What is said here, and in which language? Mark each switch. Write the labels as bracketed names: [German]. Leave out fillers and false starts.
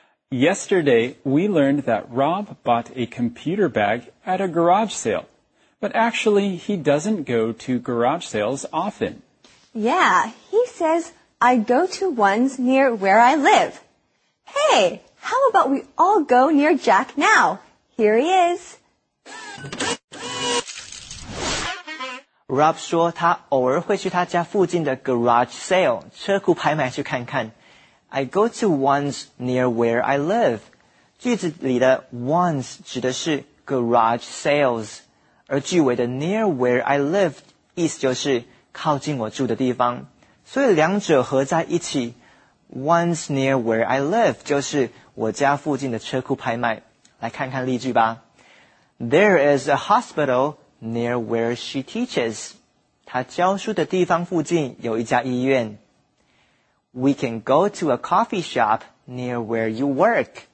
[English] Yesterday, we learned that Rob bought a computer bag at a garage sale. But actually, he doesn't go to garage sales often. Yeah, he says, I go to ones near where I live. Hey, how about we all go near Jack now? Here he is. [Chinese] Rob 说他偶尔会去他家附近的 garage sale, 车库拍卖去看看。 [English] I go to ones near where I live. [Chinese] 句子里的 ones 指的是 garage sales, 而句尾的 [English] near where I live [Chinese] 意思就是靠近我住的地方。所以两者合在一起, [English] ones near where I live [Chinese] 就是我家附近的车库拍卖。来看看例句吧。 [English] There is a hospital near where she teaches. [Chinese] 她教书的地方附近有一家医院。 [English] We can go to a coffee shop near where you work.